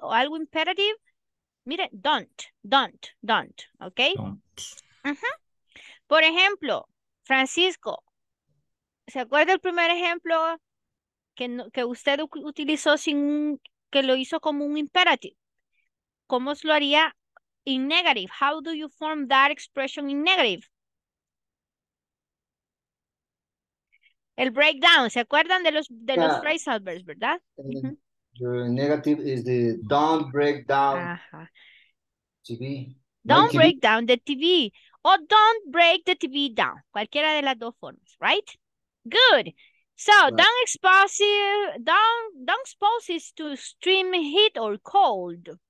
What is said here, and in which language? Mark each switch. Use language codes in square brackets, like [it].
[es] O algo imperative. Miren, don't, ¿ok? [en] Don't. Uh-huh. [es] Por ejemplo, Francisco, ¿se acuerda el primer ejemplo que usted utilizó que lo hizo como un imperative? ¿Cómo lo haría? [en] In negative, how do you form that expression in negative? [es] El breakdown, ¿se acuerdan de los phrase adverbs, verdad? [en] The negative is the don't break down TV. Don't break down the TV. Or don't break the TV down. [es] Cualquiera de las dos formas, [en] right? Good. So right. don't expose it to extreme heat or cold.